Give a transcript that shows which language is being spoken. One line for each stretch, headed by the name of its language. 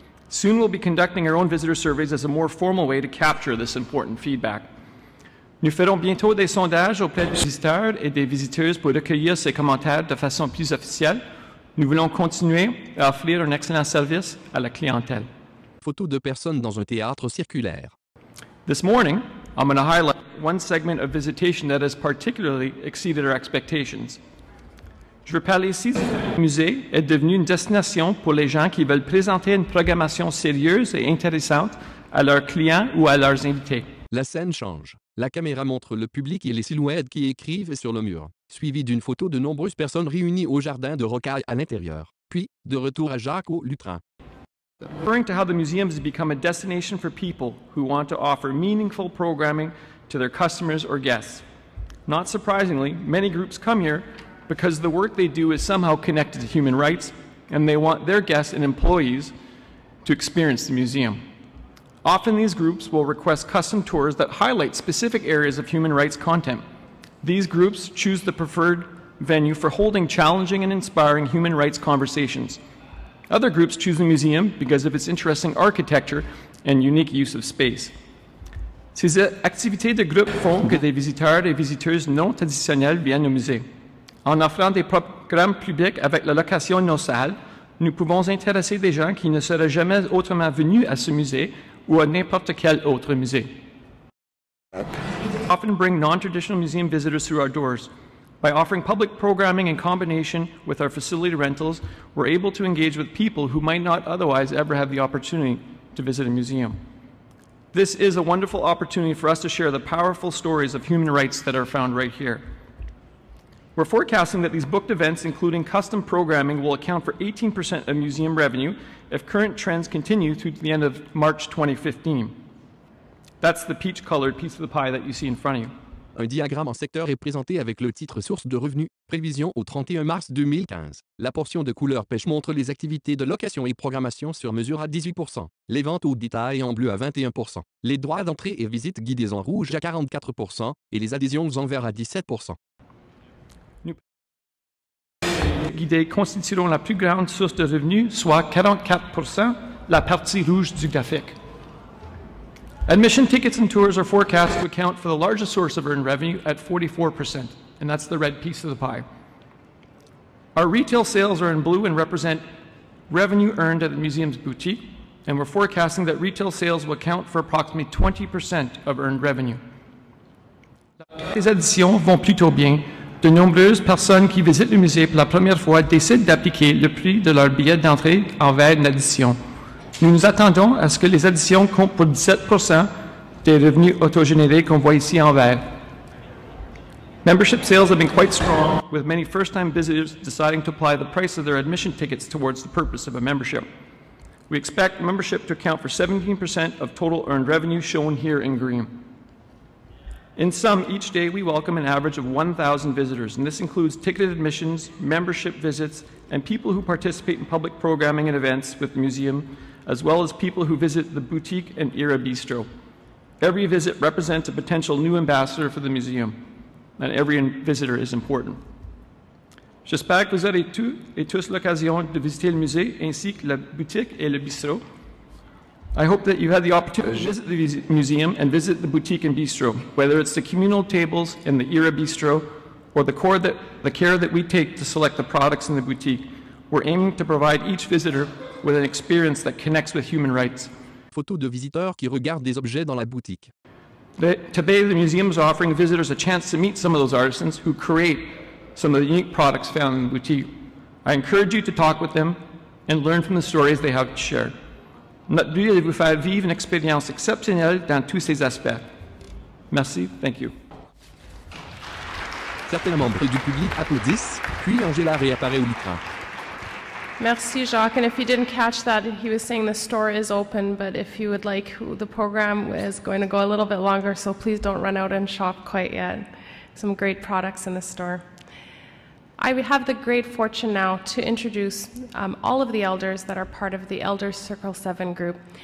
English: Soon we'll be conducting our own visitor surveys as a more formal way to capture this important feedback.
French: Nous ferons bientôt des sondages auprès des visiteurs et des visiteuses pour recueillir ces commentaires de façon plus officielle. Nous voulons continuer à offrir un excellent service à la clientèle. Photo de personnes dans un théâtre circulaire.
English: This morning, I'm going to highlight one segment of visitation that has particularly exceeded our expectations.
French: Je rappelle ici que le musée est devenu une destination pour les gens qui veulent présenter une programmation sérieuse et intéressante à leurs clients ou à leurs invités. La scène change. La caméra montre le public et les silhouettes qui écrivent sur le mur, suivi d'une photo de nombreuses personnes réunies au jardin de rocaille à l'intérieur. Puis, de retour à Jacques au lutrin.
English: Referring to how the museum has become a destination for people who want to offer meaningful programming to their customers or guests. Not surprisingly, many groups come here because the work they do is somehow connected to human rights, and they want their guests and employees to experience the museum. Often these groups will request custom tours that highlight specific areas of human rights content. These groups choose the preferred venue for holding challenging and inspiring human rights conversations. Other groups choose the museum because of its interesting architecture and unique use of space.
French: Ces activités de groupe font que des visiteurs et visiteuses non traditionnels viennent au musée. En offrant des programmes publics avec la location de nos salles, nous pouvons intéresser des gens qui ne seraient jamais autrement venus à ce musée ou à n'importe quel autre musée.
English: Often bring non-traditional museum visitors through our doors. By offering public programming in combination with our facility rentals, we're able to engage with people who might not otherwise ever have the opportunity to visit a museum. This is a wonderful opportunity for us to share the powerful stories of human rights that are found right here. We're forecasting that these booked events, including custom programming, will account for 18% of museum revenue if current trends continue through to the end of March 2015. That's the peach-colored piece of the pie that you see in front of you.
French: Un diagramme en secteur est présenté avec le titre « Sources de revenus, prévisions au 31 mars 2015 ». La portion de couleur pêche montre les activités de location et programmation sur mesure à 18%, les ventes au détail en bleu à 21%, les droits d'entrée et visite guidés en rouge à 44% et les adhésions en vert à 17%. Les guidés constitueront la plus grande source de revenus, soit 44%, la partie rouge du graphique.
English: Admission tickets and tours are forecast to account for the largest source of earned revenue at 44%, and that's the red piece of the pie. Our retail sales are in blue and represent revenue earned at the museum's boutique, and we're forecasting that retail sales will account for approximately 20% of earned revenue.
French: Les additions vont plutôt bien. De nombreuses personnes qui visitent le musée pour la première fois décident d'appliquer le prix de leur billet d'entrée envers une addition. Nous nous attendons à ce que les additions comptent pour 17% des revenus autogénérés qu'on voit ici en vert.
English: Membership sales have been quite strong, with many first-time visitors deciding to apply the price of their admission tickets towards the purpose of a membership. We expect membership to account for 17% of total earned revenue shown here in green. In sum, each day we welcome an average of 1,000 visitors, and this includes ticketed admissions, membership visits, and people who participate in public programming and events with the museum, as well as people who visit the boutique and Era Bistro. Every visit represents a potential new ambassador for the museum, and every visitor is important.
French: J'espère que vous aurez tous et tous l'occasion de visiter le musée ainsi que la boutique et le bistrot.
English: I hope that you have the opportunity to visit the museum and visit the boutique and bistro, whether it's the communal tables in the Era Bistro or the care that we take to select the products in the boutique. We're aiming to provide each visitor with an experience that connects with human rights.
French: Photo de visiteurs qui regardent des objets dans la boutique.
English: Today, the museum is offering visitors a chance to meet some of those artisans who create some of the unique products found in the boutique. I encourage you to talk with them and learn from the stories they have to share.
French: Notre but
English: is to
French: vous faire vivre une expérience exceptionnelle dans tous ces aspects. Merci,
English: thank you.
French: Certains membres du public applaudissent, puis Angela réapparaît au micro. Merci, Jacques.
English: And if you didn't catch that, he was saying the store is open, but if you would like, the program is going to go a little bit longer, so please don't run out and shop quite yet. Some great products in the store. I have the great fortune now to introduce all of the elders that are part of the Elders Circle 7 group.